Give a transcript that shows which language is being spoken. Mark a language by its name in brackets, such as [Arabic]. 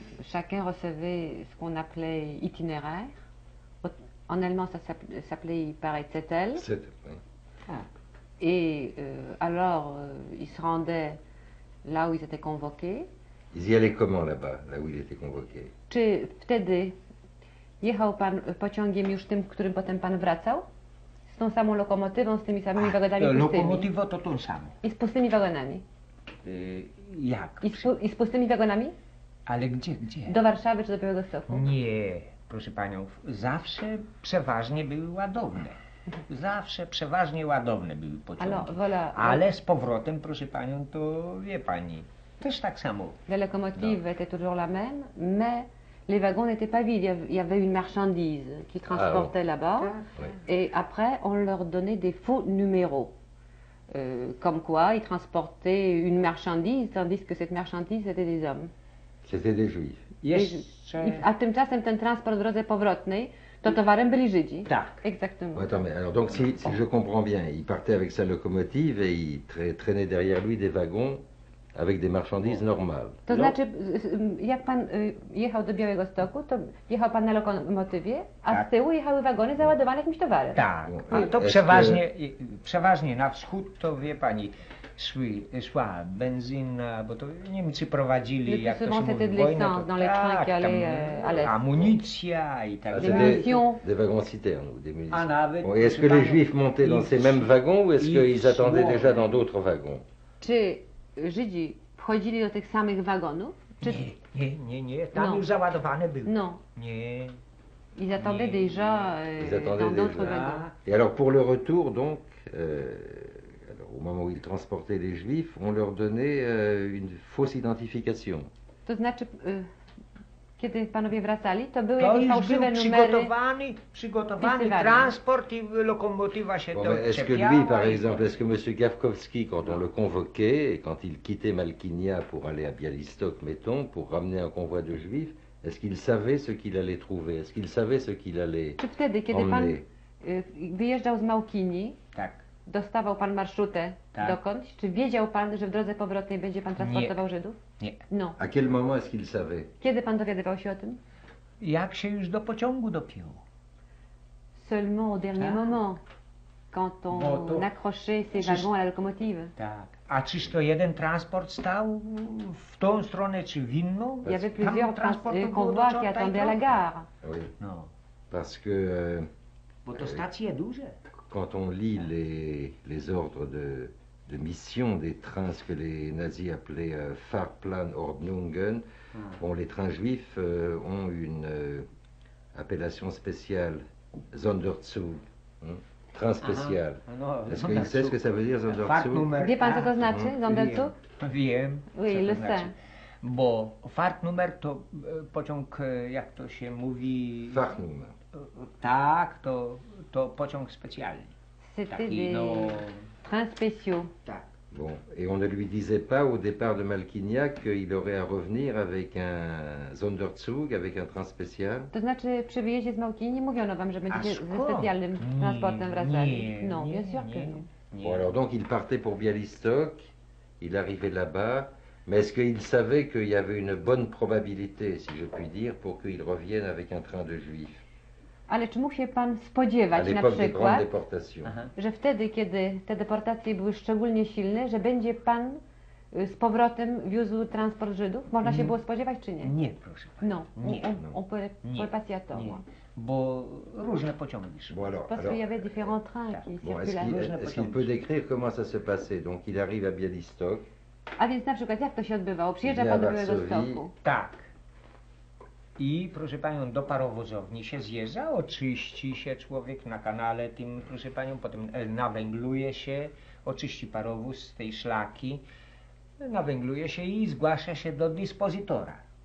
[French] Chacun recevait ce qu'on appelait itinéraire. En allemand, ça s'appelait, il paraît, Zettel. Et alors, ils se rendaient là où ils étaient convoqués. Ils y allaient comment là-bas, là où ils étaient convoqués? [Polish] Czy wtedy jechał pan pociągiem już tym, którym potem pan wracał? Z tą samą lokomotywą, z tymi samymi wagonami pustymi? Lokomotywa to tą samą. I z pustymi wagonami? Jak? I z pustymi wagonami? Ale gdzie, gdzie? Do Warszawy czy do Białegostoku? Nie, proszę panią, zawsze przeważnie były ładowne. Zawsze przeważnie ładowne były pociągi. [French] Alors, voilà. [Polish] Ale z powrotem, proszę panią, to wie pani, też tak samo. [French] La locomotive était toujours la même, mais les wagons n'étaient pas vides. Il y avait une marchandise qui transportait là-bas. Et après, on leur donnait des faux numéros. Comme quoi, ils transportaient une marchandise, tandis que cette marchandise, c'était des hommes. C'était des juifs. [Polish] A tymczasem ten transport w drodze powrotnej to towarem byli Żydzi. Tak. [French] Exactement. Attends, mais alors, donc si je comprends bien, il partait avec sa locomotive et il traînait derrière lui des wagons avec des marchandises normales. [Polish] To znaczy, jak pan jechał do Białegostoku, to jechał pan na lokomotywie, a z tyłu jechały wagony załadowane jakimś towarem. Tak. A to przeważnie na wschód, to wie pani, szła benzyna, bo to Niemcy prowadzili, jak to się mówi, wojnę, to tak, amunicja i tak dalej. [French] Des munitions. Des wagons citernes, des munitions. Bon, est-ce que les Juifs montaient dans ces mêmes wagons, ou est-ce qu'ils attendaient déjà dans d'autres wagons? [Polish] Czy Żydzi wchodzili do tych samych wagonów? Czy... Nie. Tam już załadowane były. No. Nie. [French] Ils attendaient déjà dans d'autres wagons. Et alors, pour le retour, donc... au moment où ils transportaient les Juifs, on leur donnait une fausse identification. [Polish] To znaczy, kiedy panowie wracali, to były jakieś fałszywe numery. Przygotowany transport i lokomotywa się dociepiała. [French] Est-ce que lui, par exemple, est-ce que monsieur Gawkowski, quand on le convoquait, quand il quittait Malkinia pour aller à Białystok, mettons, pour ramener un convoi de Juifs, est-ce qu'il savait ce qu'il allait trouver? Est-ce qu'il savait ce qu'il allait emmener? [Polish] Czy wtedy, kiedy pan wyjeżdżał z Małkini, tak. Dostawał pan marszutę tak. Dokądś? Czy wiedział pan, że w drodze powrotnej będzie pan transportował Żydów? Nie. No. [French] A quel moment est-ce qu'il savait? [Polish] Kiedy pan dowiadywał się o tym? Jak się już do pociągu dopiął. [French] Seulement au dernier moment, quand on accrochait ses wagons à la locomotive. [Polish] Tak. A czyż to jeden transport stał w tą stronę, czy w inną? [French] Il y avait plusieurs convois qui attendaient à la gare. Oui. [Polish] No. [French] Parce que... [Polish] Bo to stacje duże. [French] Quand on lit les ordres de mission des trains, ce que les nazis appelaient Fahrplan Ordnungen, bon, les trains juifs ont une appellation spéciale, Sonderzug, train spécial. Est-ce qu'il sait ce que ça veut dire, Sonderzug? [Polish] Wie pan, co to znaczy, Sonderzug? Wiem. [French] Oui, le sais. [Polish] Bo Fahrtnummer to pociąg, jak to się mówi... Fahrtnummer. Tak, to pociąg specjalny. [French] C'était des trains spéciaux. [Polish] Tak. [French] Bon, et on ne lui disait pas au départ de Malkinia qu'il aurait à revenir avec un Sonderzug, avec un train spécial? [Polish] To znaczy, przy wyjeździe z Małkini nie mówiono wam, że będziecie ze specjalnym transportem wracali. Nie. [French] Bon, alors donc il partait pour Białystok, il arrivait là-bas. Mais est-ce qu'il savait qu'il y avait une bonne probabilité, si je puis dire, pour qu'il revienne avec un train de juifs? [Polish] Ale czy mógł się pan spodziewać, na przykład, że wtedy, kiedy te deportacje były szczególnie silne, że będzie pan z powrotem wiózł transport Żydów? Można się było spodziewać, czy nie? Nie, proszę pana. No, nie. [French] On passait à to. [Polish] Bo różne pociągi. [French] Parce qu'il y avait différents trains qui circulaient. Est-ce qu'il peut décrire comment ça se passait? Donc, il arrive à Białystok. [Polish] A więc na przykład, jak to się odbywało? Przyjeżdża pan do Białegostoku. Tak. I proszę panią, do parowozowni się zjeżdża, oczyści się człowiek na kanale tym, proszę panią, potem nawęgluje się, oczyści parowóz z tej szlaki, nawęgluje się i zgłasza się do dyspozytora.